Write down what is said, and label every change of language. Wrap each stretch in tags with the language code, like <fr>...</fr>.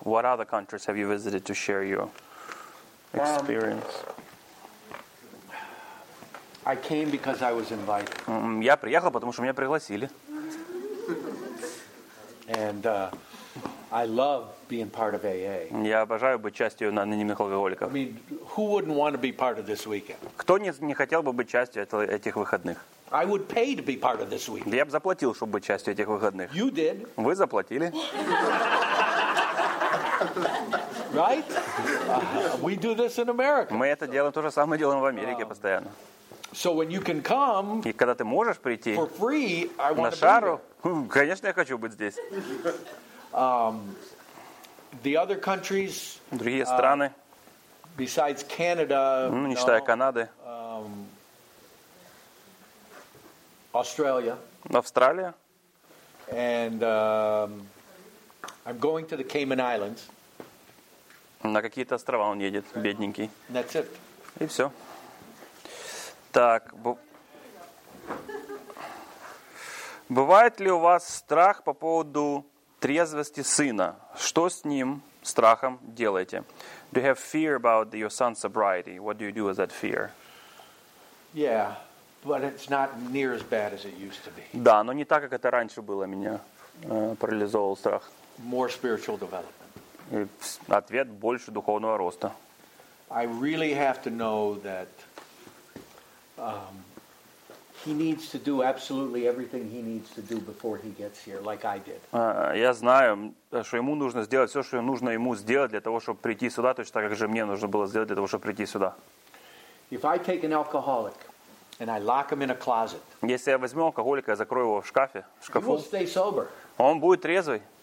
<en>What other countries have you visited to share your experience? I came because I was invited.</en> <ru>Я приехал, потому что меня пригласили.</ru> <en>And I love being part of AA.</en> <ru>Я обожаю быть частью анонимных алкоголиков.</ru> <en>I mean, who wouldn't want to be part of this weekend?</en> <ru>Кто не хотел бы быть частью этих выходных?</ru> <en>I would pay to be part of this weekend.</en> <ru>Я бы заплатил, чтобы быть частью этих выходных.</ru> <en>You did.</en> <ru>Вы заплатили.</ru> <en>Right? We do this in America.</en> <ru>Мы это делаем, то же самое делаем в Америке постоянно.</ru> <en>So when you can come,</en> <ru>и когда ты можешь прийти</ru> <en>for free, I</en> <ru>на шару, конечно, я хочу быть здесь.</ru> <en>The other countries,</en> <ru>другие страны,</ru> <en>besides Canada,</en> <ru>ну, не считая Канады,</ru> <en>Australia,</en> <ru>Австралия,</ru> <en>and I'm going to the Cayman Islands.</en> <ru>На какие-то острова он едет, бедненький.</ru> <en>That's it.</en> <ru>И все. Так, бывает ли у вас страх по поводу трезвости сына? Что с ним, страхом, делаете?</ru> <en>Do you have fear about your son's sobriety? What do you do with that fear? Yeah, but it's not near as bad as it used to be.</en> <ru>Да, но не так, как это раньше было, меня парализовал страх.</ru> <en>More spiritual development.</en> <ru>И ответ – больше духовного роста.</ru> <en>I really have to know that he needs to do absolutely everything he needs to do before he gets here, like I did.</en> <ru>Я знаю, что ему нужно сделать все, что нужно ему сделать для того, чтобы прийти сюда, точно так, как же мне нужно было сделать для того, чтобы прийти сюда.</ru> <en>If I take an alcoholic and I lock him in a closet,</en> <ru>если я возьму алкоголика и закрою его в шкафе, в шкафу,</ru> <en>he will stay sober.</en> <ru>Он будет трезвый.</ru>